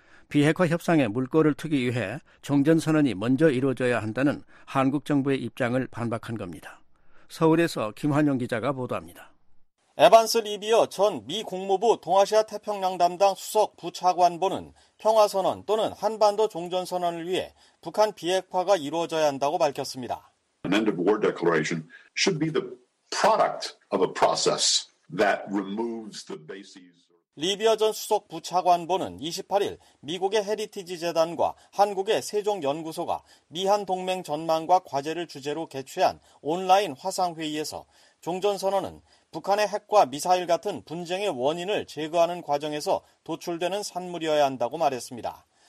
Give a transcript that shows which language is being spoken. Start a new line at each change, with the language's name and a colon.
Korean: 비핵화 협상에 물꼬를 트기 위해 종전선언이 먼저 이루어져야 한다는 한국 정부의 입장을 반박한 겁니다. 서울에서 김환영 기자가 보도합니다. 에반스 리비어 전 미 국무부 동아시아 태평양 담당 수석 부차관보는 평화선언 또는 한반도 종전선언을 위해 북한 비핵화가 이루어져야 한다고 밝혔습니다.
English: An end of war declaration should be the product of a process that removes the bases.
Korean: 리비아 전 수석 부차관보는 28일 미국의 헤리티지 재단과 한국의 세종연구소가 미한동맹 전망과 과제를 주제로 개최한 온라인 화상회의에서 종전선언은 북한의 핵과 미사일 같은 분쟁의 원인을 제거하는 과정에서 도출되는 산물이어야 한다고 말했습니다.